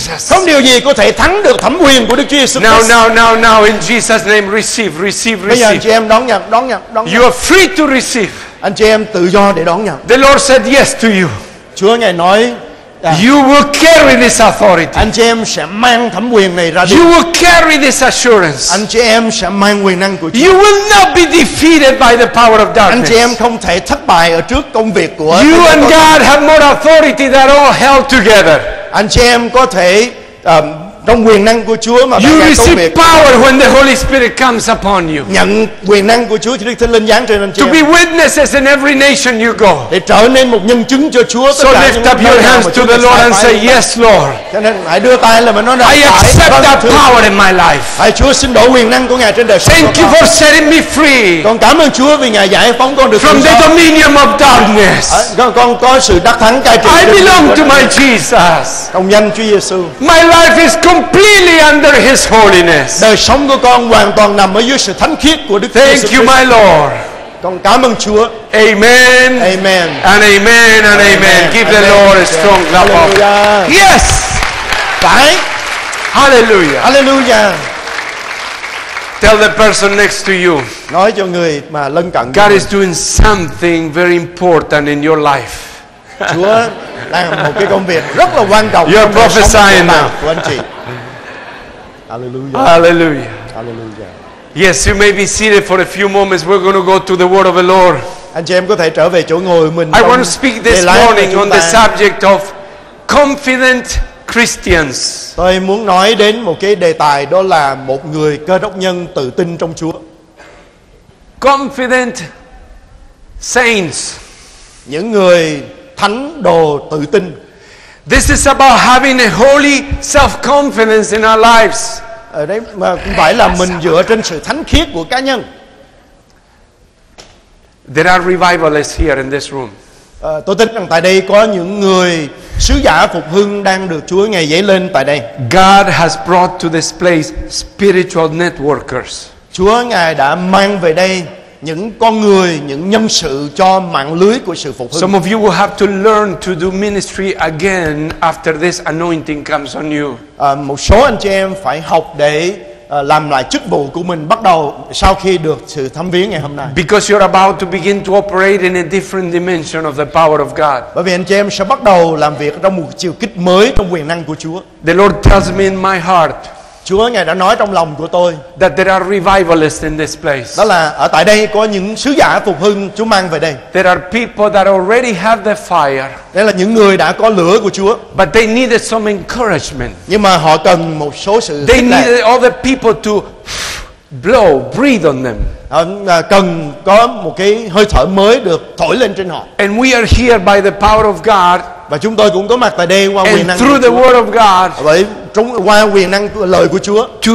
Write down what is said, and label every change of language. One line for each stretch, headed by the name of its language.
Vietnamese: Không điều gì có thể thắng được thẩm quyền của Đức Chúa Jesus.
English: Now in Jesus name receive.
Vietnamese: Bây giờ chị em đón nhận.
English: You are free to receive.
Vietnamese: Anh chị em tự do để đón nhận.
English: The Lord said yes to you.
Vietnamese: Chúa ngài nói
English: You will carry this authority.
Vietnamese: Anh chị em sẽ mang thẩm quyền này ra đi.
English: You will carry this assurance.
Vietnamese: Anh chị em sẽ mang quyền năng của Chúa.
English: You will not be defeated by the power of darkness.
Vietnamese: Anh chị em không thể thất bại ở trước công việc của
English: You and God have more authority than all held together.
Vietnamese: Anh chị em có thể trong quyền năng của Chúa mà
English: you receive power when the Holy Spirit comes upon you.
Vietnamese: Nhận quyền năng của Chúa khi Đức Thánh Linh giáng trên anh chị.
English: To be witnesses in every nation you go.
Vietnamese: Để trở nên một nhân chứng cho Chúa.
English: So lift up your hands to the Lord and say yes, Lord.
Vietnamese: Cho nên hãy đưa tay lên mà nói rằng
English: I accept that power in my life.
Vietnamese: Hãy Chúa xin đổ quyền năng của Ngài trên đời sống.
English: Thank you for setting me free.
Vietnamese: Con cảm ơn Chúa vì Ngài giải phóng con được
English: from the dominion of darkness.
Vietnamese: Con có sự đắc thắng cai trị.
English: I belong to my Jesus.
Vietnamese: Trong danh Chúa Giêsu.
English: My life is completely under His holiness.
Vietnamese: Đời sống của con hoàn toàn nằm ở dưới sự thánh khiết của Đức Chúa.
English: Thank you, my Lord.
Vietnamese: Con cảm ơn Chúa. Amen. Amen.
English: And amen. And amen. Amen. Give amen. The Lord a strong clap. Hallelujah. Of. Yes. Right. Hallelujah. Hallelujah. Tell the person next to you.
Vietnamese: Nói cho người mà lân cận.
English: God is doing something very important in your life.
Vietnamese: Chúa đang làm một cái công việc rất là quan trọng.
English: You're prophesying now.
Vietnamese: Của anh chị. Hallelujah. Hallelujah. Hallelujah.
English: Yes, you may be seated for a few moments. We're going to go to the word of the Lord.
Vietnamese: Anh chị em có thể trở về chỗ ngồi mình.
English: I want to speak this morning on the subject of confident Christians.
Vietnamese: Tôi muốn nói đến một cái đề tài đó là một người Cơ đốc nhân tự tin trong Chúa.
English: Confident saints.
Vietnamese: Những người thánh đồ tự tin.
English: This is about having a holy self-confidence in our lives.
Vietnamese: Ở đây mà cũng phải là mình dựa trên sự thánh khiết của cá nhân.
English: There are revivalists here in this room.
Vietnamese: Tôi tin rằng tại đây có những người sứ giả phục hưng đang được Chúa ngày dấy lên tại đây.
English: God has brought to this place spiritual networkers.
Vietnamese: Chúa Ngài đã mang về đây những con người, những nhân sự cho mạng lưới của sự phục hưng.
English: Some of you will have to learn to do ministry again after this anointing comes on you.
Vietnamese: Một số anh chị em phải học để làm lại chức vụ của mình bắt đầu sau khi được sự thăm viếng ngày hôm nay.
English: Because you're about to begin to operate in a different dimension of the power of God.
Vietnamese: Bởi vì anh chị em sẽ bắt đầu làm việc trong một chiều kích mới trong quyền năng của Chúa.
English: The Lord tells me in my heart.
Vietnamese: Chúa Ngài đã nói trong lòng của tôi
English: that there are revivalists in this place.
Vietnamese: Đó là ở tại đây có những sứ giả phục hưng Chúa mang về đây.
English: There are people that already have the fire.
Vietnamese: Đây là những người đã có lửa của Chúa.
English: But they needed some encouragement.
Vietnamese: Nhưng mà họ cần một số sự
English: they needed all the people to blow, breathe on them.
Vietnamese: Cần có một cái hơi thở mới được thổi lên trên họ.
English: And we are here by the power of God.
Vietnamese: Và chúng tôi cũng có mặt tại đây qua quyền năng
English: through the word of God.
Vietnamese: Bởi trong qua quyền năng lời của Chúa.